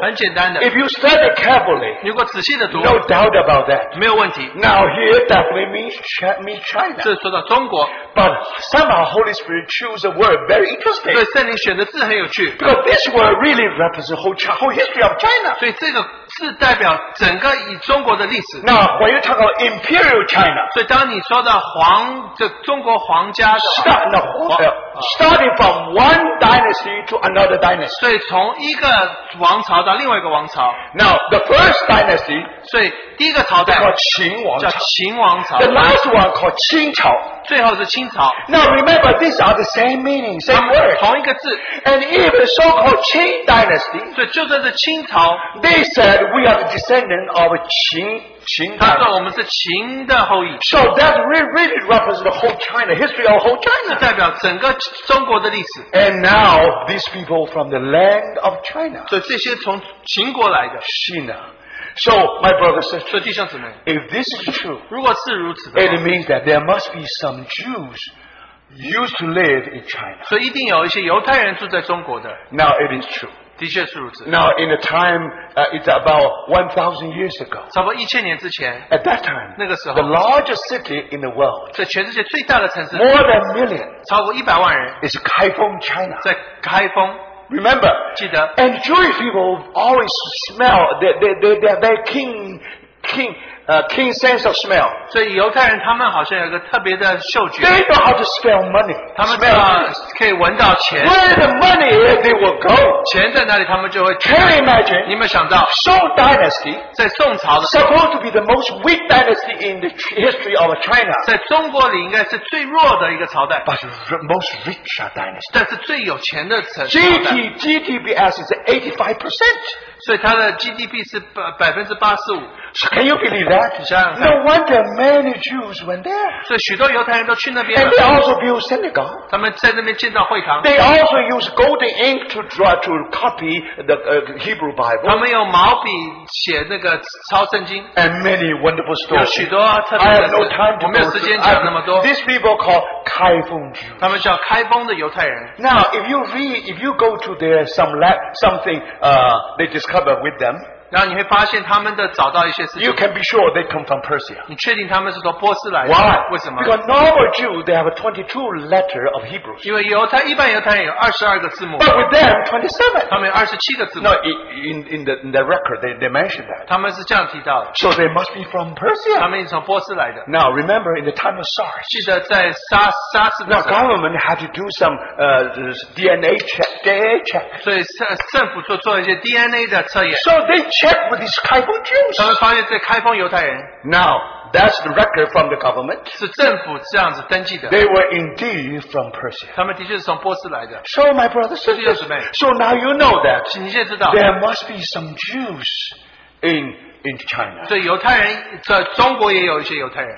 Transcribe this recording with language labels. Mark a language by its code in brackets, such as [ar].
[en] If you study carefully, [zh] 如果仔细地读, [en] no doubt about that. [zh] 没有问题, [en] now here definitely means China. [zh] 这说到中国, [en] but somehow Holy Spirit choose a word very interesting. [zh] 对圣灵选的字很有趣, [en] because this word really represents whole history of China. [zh] 所以这个字代表整个以中国的历史。 [en] Now when you talk about Imperial China, [zh] 所以当你说到皇, 这中国皇家, [en] starting from one dynasty to another dynasty. [zh] 所以从一个王朝到另外一个王朝。 [en] Now the first dynasty, [zh] 所以第一个朝代, 叫秦王朝。 [en] The last one called 清朝。 [zh] 最后是清朝。 [en] Now remember, these are the same meaning, same word. [zh] 同一个字。 [en] And even so called Qing dynasty, [zh] 所以就算是清朝, [en] they said we are the descendant of Qing. [zh] 他说我们是秦的后裔。 [en] So that really represents the whole China, history of whole China. [zh] 代表整个中国的历史。 [en] And now these people from the land of China. [zh] 所以这些从秦国来的。 [en] China. So my brother says, [zh] 所以弟兄姊妹, [en] if this is true, [zh] 如果是如此的话, [en] it means that there must be some Jews used to live in China. [zh] 所以一定有一些犹太人住在中国的。 [en] Now it is true. Now, in the time, it's about 1,000 years ago. [zh] 差不多1000年之前, [en] at that time, [zh] 那个时候, [en] the largest city in the world, [zh] 在全世界最大的城市, [en] more than a million, [zh] 超过100万人, [en] is Kaifeng, China. [zh] 在开封, [en] remember, [zh] 记得, [en] and Jewish people always smell, their king sense of smell. [zh] 所以犹太人他们好像有个特别的嗅觉。 [en] They know how to smell money. [zh] 他们可以闻到钱。 [en] Where the money is, they will go. [zh] 钱在哪里他们就会。 [en] Can you imagine? [zh] 你们想到, [en] Song dynasty, [zh] 在宋朝的时候, [en] supposed to be the most weak dynasty in the history of China. [zh] 在中国里应该是最弱的一个朝代, [en] but most rich dynasty. [zh] 但是最有钱的朝代。 [en] GDPS is 85%. [zh] 所以他的GDP是85%。 [en] Can you believe that? [zh] 想想看, [en] no wonder many Jews went there. [zh] 所以许多犹太人都去那边。 [en] And they also built synagogue. [zh] 他们在那边建造会堂。 [en] They also use golden ink to draw, to copy the Hebrew Bible. [zh] 他们用毛笔写那个抄圣经。 [en] And many wonderful stories. [zh] 有许多特别的事。 [en] I have no time to go through. These people called Kaifeng Jews. [zh] 他们叫开封的犹太人。 [en] Now, if you read, if you go to their they discover with them, [zh] 然后你会发现他们的找到一些事情, [en] you can be sure they come from Persia. [zh] 你确定他们是从波斯来的? [en] Why? [zh] 为什么? [en] Because normal Jews, they have a 22 letter of Hebrews. [zh] 因为犹太, 一般犹太人有22个字母, [en] but with them, 27. [zh] 他们有27个字母。 [en] No, in the record, they mentioned that. [zh] 他们是这样提到的。 [en] So they must be from Persia. [zh] 他们是从波斯来的。 [en] Now, remember, in the time of SARS, [zh] 记得在沙士的时候, [en] now, government had to do some DNA check. [zh] 所以政府做一些 DNA的测验。 [en] So they check with these Kaifeng Jews. [zh] 他们发现这开封犹太人, [en] now, that's the record from the government. [zh] 是政府这样子登记的, [en] they were indeed from Persia. [zh] 他们的确是从波斯来的。 [en] So, my brothers and sisters, so now you know that [zh] 你现在知道, [en] there must be some Jews in China. [zh] 对,犹太人,中国也有一些犹太人。